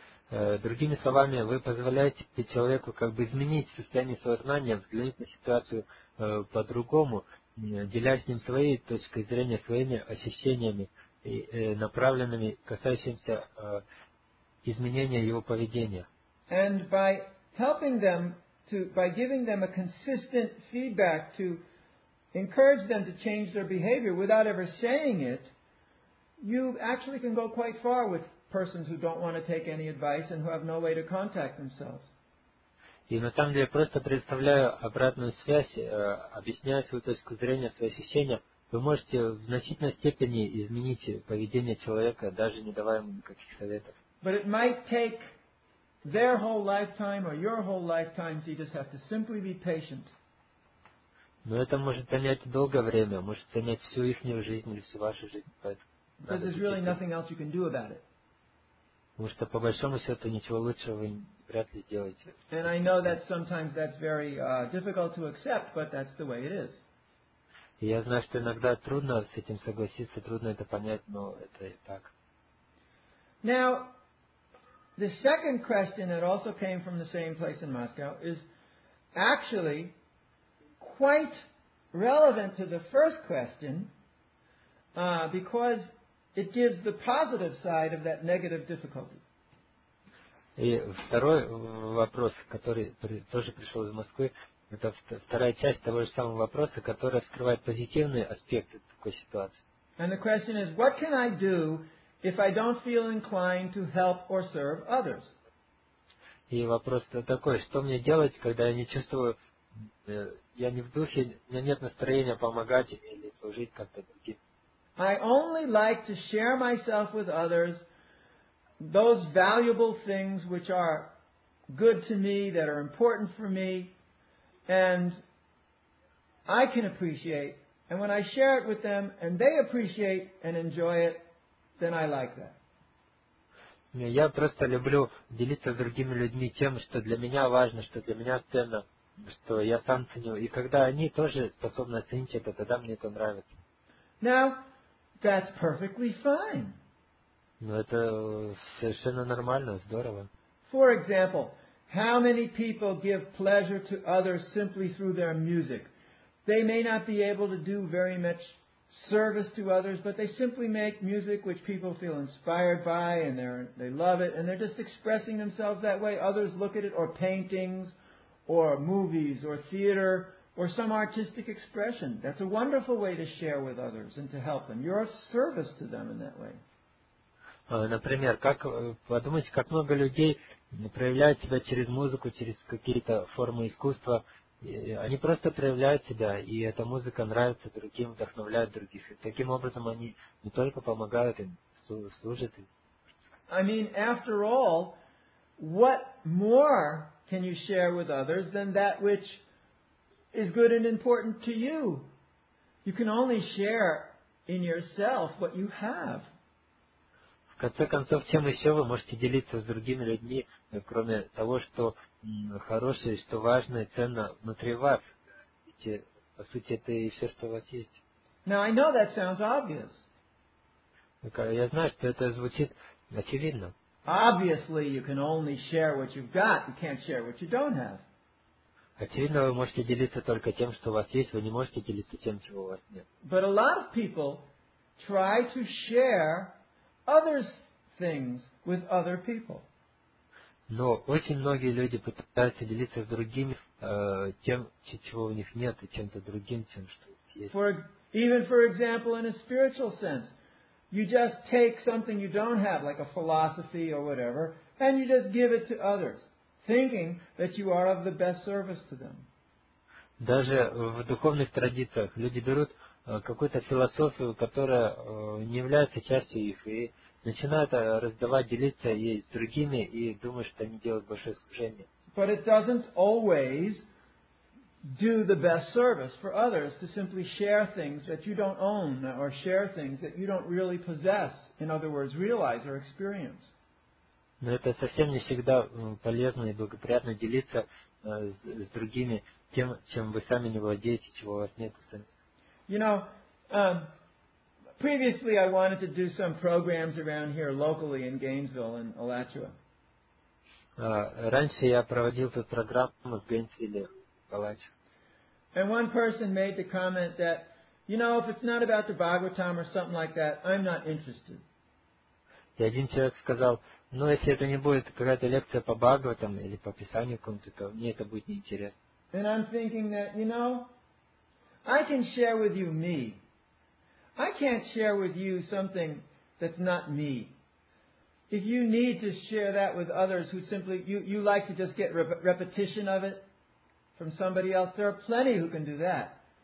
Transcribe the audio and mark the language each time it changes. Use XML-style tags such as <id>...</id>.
<ru>Другими словами, вы позволяете человеку как бы изменить состояние сознания, взглянуть на ситуацию по-другому, делясь с ним своей точкой зрения, своими ощущениями, направленными, касающимися изменения его поведения.</ru> <en>And by helping them by giving them a consistent feedback to encourage them to change their behavior without ever saying it, you actually can go quite far with persons who don't want to take any advice and who have no way to contact themselves.</en> <ru>И на самом деле просто представляю обратную связь, объясняя свою точку зрения, свои ощущения, вы можете в значительной степени изменить поведение человека, даже не давая ему никаких советов.</ru> <en>But it might take their whole lifetime or your whole lifetime, so you just have to simply be patient.</en> <ru>Но это может занять долгое время, может занять всю ихнюю жизнь или всю вашу жизнь, поэтому.</ru> <en>Because there's really nothing else you can do about it.</en> <ru>Потому что по большому счету ничего лучшего вы вряд ли сделаете.</ru> <en>And I know that sometimes that's very difficult to accept, but that's the way it is.</en> <ru>И я знаю, что иногда трудно с этим согласиться, трудно это понять, но это и так.</ru> <en>Now. The second question that also came from the same place in Moscow is actually quite relevant to the first question because it gives the positive side of that negative difficulty.</en> <ru>И второй вопрос, который тоже пришел из Москвы, это вторая часть того же самого вопроса, которая скрывает позитивные аспекты такой ситуации.</ru> <en>And the question is, what can I do if I don't feel inclined to help or serve others?</en> <ru>И вопрос такой, что мне делать, когда я не чувствую, я не в духе, у меня нет настроения помогать или служить как-то другим.</ru> <en>I only like to share myself with others those valuable things which are good to me, that are important for me, and I can appreciate. And when I share it with them, and they appreciate and enjoy it, then I like that.</en> <ru>Я просто люблю делиться с другими людьми тем, что для меня важно, что для меня ценно, что я сам ценю. И когда они тоже способны оценить это, тогда мне это нравится.</ru> <en>Now, that's perfectly fine.</en> <ru>Ну, это совершенно нормально, здорово.</ru> <en>For example, how many people give pleasure to others simply through their music? They may not be able to do very much service to others, but they simply make music which people feel inspired by, and they love it, and they're just expressing themselves that way. Others look at it, or paintings, or movies, or theater, or some artistic expression. That's a wonderful way to share with others and to help them. You're of service to them in that way.</en> <ru>Например, как подумайте, как много людей проявляют себя через музыку, через какие-то формы искусства. Они просто проявляют себя, и эта музыка нравится другим, вдохновляет других. И таким образом они не только помогают им, служат им.</ru> <en>I mean, after all, what more can you share with others than that which is good and important to you? You can only share in yourself what you have.</en> <ru>В конце концов, чем еще вы можете делиться с другими людьми, кроме того, что хорошее, что важное, ценно внутри вас. Ведь, по сути, это и все, что у вас есть.</ru> <en>Now, I know that sounds obvious.</en> <ru>Я знаю, что это звучит очевидно.</ru> <en>Obviously, you can only share what you've got, you can't share what you don't have.</en> <ru>Очевидно, вы можете делиться только тем, что у вас есть, вы не можете делиться тем, чего у вас нет.</ru> <en>But a lot of people try to share other things with other people.</en> <ru>Но очень многие люди пытаются делиться с другими тем, чего у них нет, и чем-то другим, тем, что есть.</ru> <en>For example, in a spiritual sense, you just take something you don't have, like a philosophy or whatever, and you just give it to others, thinking that you are of the best service to them.</en> <ru>Даже в духовных традициях люди берут какую-то философию, которая не является частью их, и начинают раздавать, делиться ей с другими, и думают, что они делают большое служение.</ru> <en>But it doesn't always do the best service for others to simply share things that you don't own or share things that you don't really possess, in other words, realize or experience.</en> <ru>Но это совсем не всегда полезно и благоприятно делиться с другими тем, чем вы сами не владеете, чего у вас нет.</ru> <en>You know, previously I wanted to do some programs around here locally in Gainesville and Alachua.</en> <ru>Раньше я проводил тут программу в Гейнсвилле, Калач.</ru> <en>And one person made the comment that, you know, if it's not about the Bhagavatam or something like that, I'm not interested.</en> <ru>И один человек сказал, ну, если это не будет какая-то лекция по Бхагаватам или по Писанию какому-то, то мне это будет неинтересно.</ru> <en>And I'm thinking that, you know, I can share with you me. I can't share with you something that's not me. If you need to share that with others who simply, you like to just get repetition of it from somebody else, there are plenty who can do that.</en>